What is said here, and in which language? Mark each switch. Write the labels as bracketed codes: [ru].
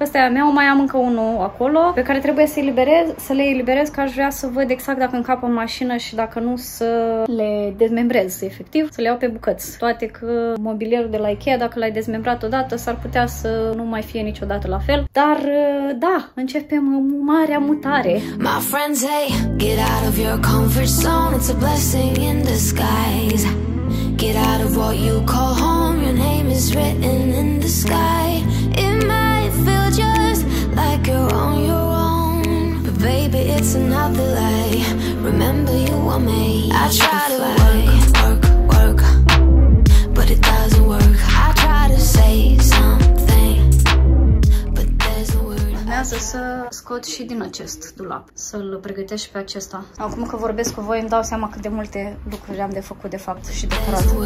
[ro] Ăsta e al meu, mai am încă unul acolo pe care trebuie să eliberez, să le eliberez, că aș vrea să văd exact dacă încapă în mașină și dacă nu să le dezmembrez efectiv, să le iau pe bucăți. Toate că mobilierul de la Ikea, dacă l-ai dezmembrat odată, s-ar putea să nu mai fie niciodată la fel. Dar da, începem marea mutare. [en] My friends, hey, get out of your comfort zone. It's a blessing in disguise. Get out of what you call home. Your name is written in the sky. It might feel just like you're on your own, but baby, it's another lie. Remember you are me. I try to work, work, work, but it doesn't work. I try to say something, but there's no word. [ro] Urmează să scot și din acest dulap, să-l pregătesc și pe acesta. Acum că vorbesc cu voi, îmi dau seama cât de multe lucruri am de făcut, de fapt, și de curat.